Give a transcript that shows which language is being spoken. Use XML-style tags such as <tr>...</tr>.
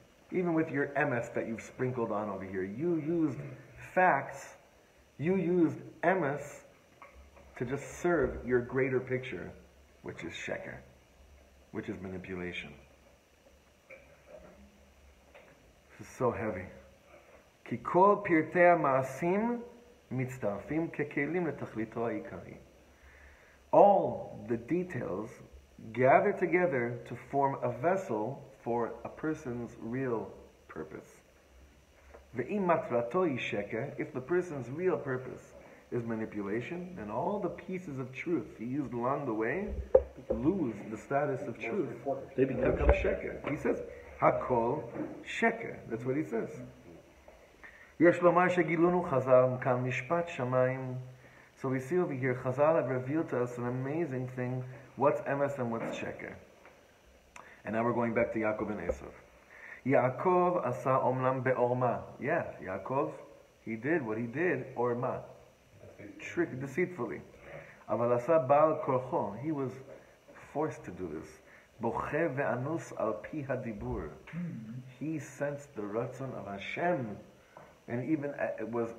<en>Even with your emes that you've sprinkled on over here, you used facts, you used emes to just serve your greater picture, which is sheker, which is manipulation. This is so heavy.</en> <he>Ki kol pirtei ma'asim מצטרפים ככלים לתכליתו העיקרי.</he> <en>All the details gather together to form a vessel for a person's real purpose.</en> <he>ואם מטרתו היא שקר,</he> <en>if the person's real purpose is manipulation, then all the pieces of truth he used along the way lose the status of truth. They become שקר. He says,</en> <he>הכל שקר.</he> <en>That's what he says.</en> <he>יש לומר שגילונו חזל כאן משפט שמיים.</he> <en>So we see over here, חזל have revealed to us an amazing thing. What's emes and what's sheker? And now we're going back to Yaakov and Esav.</en> <he>Yaakov עשה אומנם באורמה.</he> <en>Yeah, Yaakov, he did what he did, אורמה. Trick, deceitfully.</en> <he>אבל עשה בעל כורחו.</he> <en>He was forced to do this.</en> <he>בוכה ואנוס על פי הדיבור.</he> <en>He sensed the רצון of Hashem. And even it was.</en>